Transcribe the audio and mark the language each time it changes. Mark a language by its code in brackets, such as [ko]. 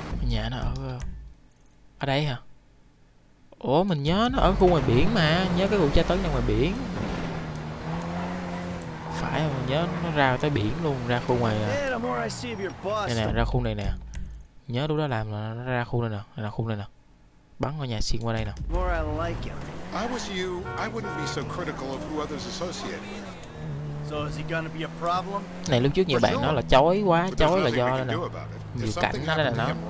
[vi] Nhà nó ở đây hả? Ủa mình nhớ nó ở khu ngoài biển mà, nhớ cái vụ tra tấn ngoài biển. Phải không? Nhớ nó ra tới biển luôn, ra khu ngoài này nè, ra khu này nè. Nhớ lúc đó làm là nó ra khu này nè, là khu này nè. Bắn ngôi nhà xuyên qua đây nè. [en] I was you, I wouldn't be so critical of who others associate with. So is he gonna be a problem? [vi] Này lúc trước nhiều bạn nói là chói quá, chói là do đây nè. Nhiều cảnh nó đây là nó.